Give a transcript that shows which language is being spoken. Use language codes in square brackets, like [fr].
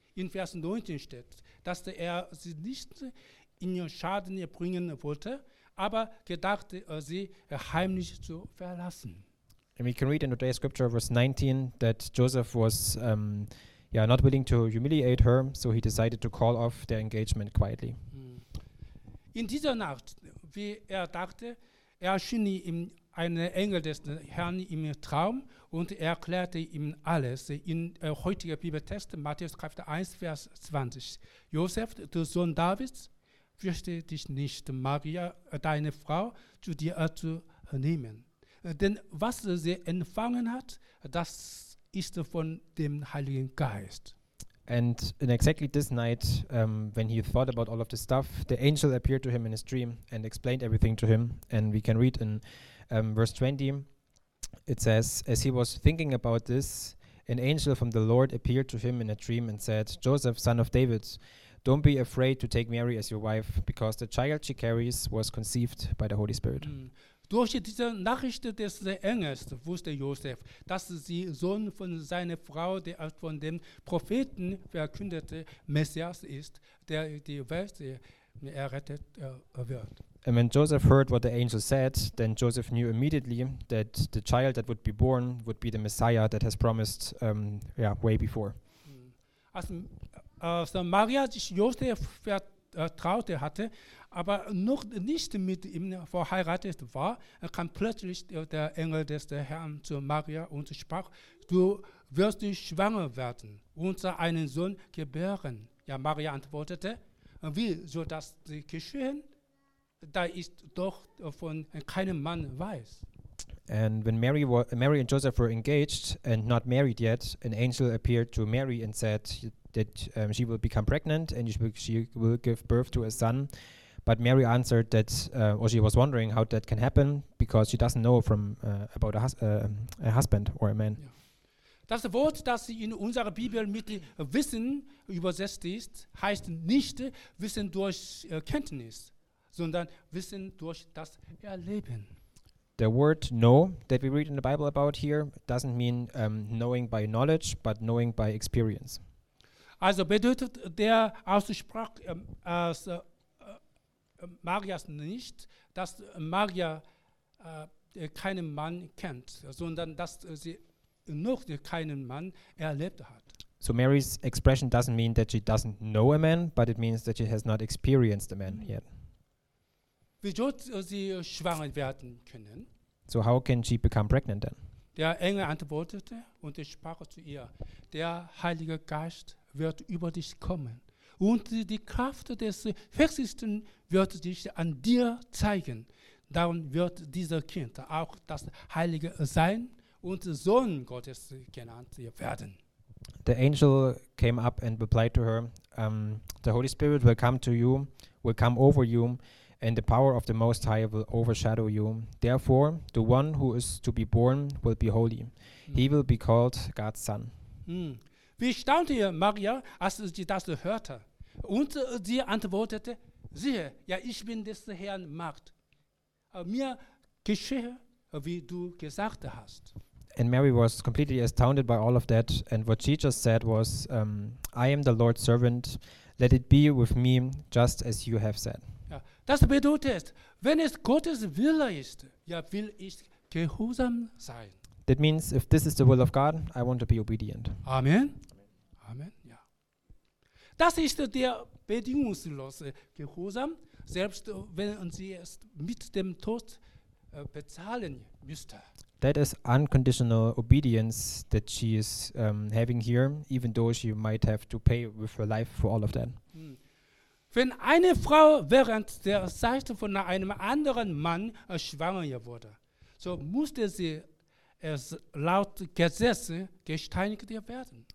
[de] In Vers 19 steht, dass er sie nicht in ihr Schaden bringen wollte, aber gedachte, sie heimlich zu verlassen. [en] And we can read in today's scripture, verse 19, that Joseph was not willing to humiliate her, so he decided to call off their engagement quietly. [de] In dieser Nacht, wie dachte, erschien ihm ein Engel des Herrn im Traum und erklärte ihm alles. In heutiger Bibeltext, Matthäus Kapitel 1, Vers 20. Josef, der Sohn Davids, fürchte dich nicht, Maria, deine Frau, zu dir zu nehmen. Denn was sie empfangen hat, das ist von dem Heiligen Geist. [en] And in exactly this night, when he thought about all of this stuff, the angel appeared to him in his dream and explained everything to him. And we can read in verse 20, it says, as he was thinking about this, an angel from the Lord appeared to him in a dream and said, Joseph, son of David, don't be afraid to take Mary as your wife, because the child she carries was conceived by the Holy Spirit. [de] Durch diese Nachricht des Engels wusste Josef, dass sie Sohn von seiner Frau, der von dem Propheten verkündete Messias ist, der die Welt errettet wird. [en] And when Joseph heard what the angel said, then Joseph knew immediately that the child that would be born would be the Messiah that has promised way before. [de] Also Maria, die Josef vertraute hatte, aber noch nicht mit ihm verheiratet war, kam plötzlich der Engel des Herrn zu Maria und sprach, du wirst schwanger werden und einen Sohn gebären. Ja, Maria antwortete, wie soll das geschehen? Da ist doch von keinem Mann weiß. [en] And when Mary and Joseph were engaged and not married yet, an angel appeared to Mary and said that she will become pregnant and she will give birth to a son. But Mary answered that, or she was wondering how that can happen, because she doesn't know from about a husband or a man. [de] Das Wort, das in unserer Bibel mit Wissen übersetzt ist, heißt nicht Wissen durch Kenntnis, sondern Wissen durch das Erleben. [en] The word know that we read in the Bible about here doesn't mean knowing by knowledge, but knowing by experience. [de] Also bedeutet der Ausspruch als Marias nicht, dass Maria keinen Mann kennt, sondern dass sie noch keinen Mann erlebt hat. [en] So Mary's expression doesn't mean that she doesn't know a man, but it means that she has not experienced a man yet. [de] Wie soll sie schwanger werden können? [en] So how can she become pregnant then? [de] Der Engel antwortete und sprach zu ihr, der Heilige Geist wird über dich kommen. Und die Kraft des Höchsten wird sich an dir zeigen. Darum wird dieser Kind auch das Heilige sein und Sohn Gottes genannt werden. [en] The angel came up and replied to her, the Holy Spirit will come to you, will come over you, and the power of the Most High will overshadow you. Therefore, the one who is to be born will be holy. He will be called God's Son. [de] Wie staunte Maria, als sie das hörte? Und sie antwortete, siehe, ja, ich bin des Herrn Magd. Mir geschehe, wie du gesagt hast. [en] And Mary was completely astounded by all of that. And what she just said was, I am the Lord's servant. Let it be with me, just as you have said. [de] Ja, das bedeutet, wenn es Gottes Wille ist, ja, will ich gehorsam sein. [en] That means, if this is the will of God, I want to be obedient. Amen. Amen. Ja. [de] Das ist der bedingungslose Gehorsam, selbst wenn sie es mit dem Tod bezahlen müsste. [en] That is unconditional obedience that she is having here, even though she might have to pay with her life for all of that. [de] Wenn eine Frau während der Zeit von einem anderen Mann schwanger wurde, so musste sie es laut Gesetz gesteinigt werden.